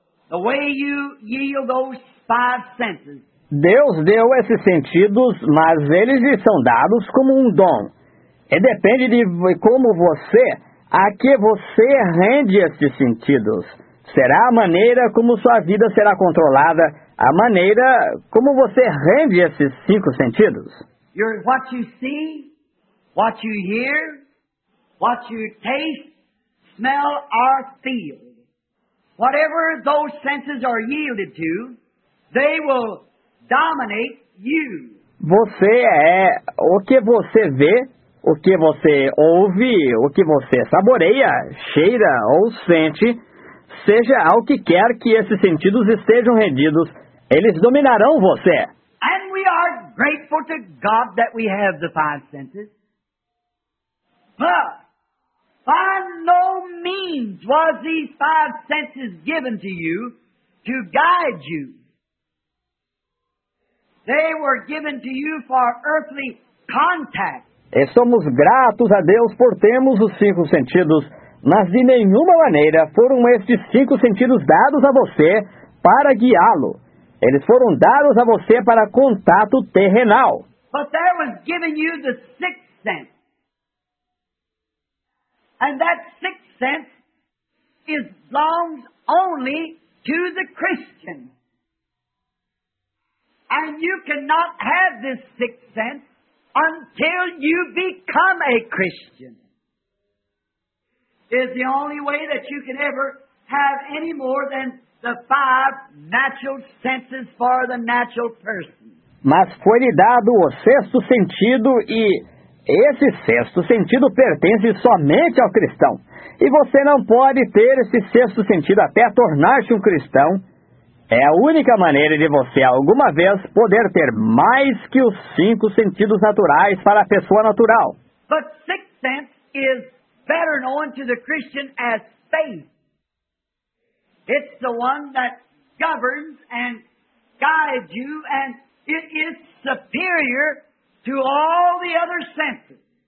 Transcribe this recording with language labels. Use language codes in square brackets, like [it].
[en] The way you yield those five senses. [pt] Deus deu esses sentidos, mas eles lhe são dados como um dom. E depende de como você, a que você rende esses sentidos. Será a maneira como sua vida será controlada, a maneira como você rende esses cinco sentidos. [en] You're what you see, what you hear, what you taste, smell or feel. Whatever those senses are yielded to, they will dominate you. [pt] Você é o que você vê, o que você ouve, o que você saboreia, cheira ou sente, seja ao que quer que esses sentidos estejam rendidos, eles dominarão você. [en] And we are grateful to God that we have the five senses. But by no means was these five senses given to you to guide you. They were given to you for earthly contact. [pt] Estamos gratos a Deus por termos os cinco sentidos, mas de nenhuma maneira foram estes cinco sentidos dados a você para guiá-lo. Eles foram dados a você para contato terrenal. [en] But there was given you the sixth sense. And that sixth sense is belongs only to the Christian. And you cannot have this sixth sense until you become a Christian. It is the only way that you can ever have any more than the five natural senses for the natural person. [pt] Mas foi-lhe dado o sexto sentido e esse sexto sentido pertence somente ao cristão. E você não pode ter esse sexto sentido até tornar-se um cristão. É a única maneira de você alguma vez poder ter mais que os cinco sentidos naturais para a pessoa natural. [en] But sixth sense is better known to the Christian as faith. It's the one that governs and guides you, and it is superior to all the other senses.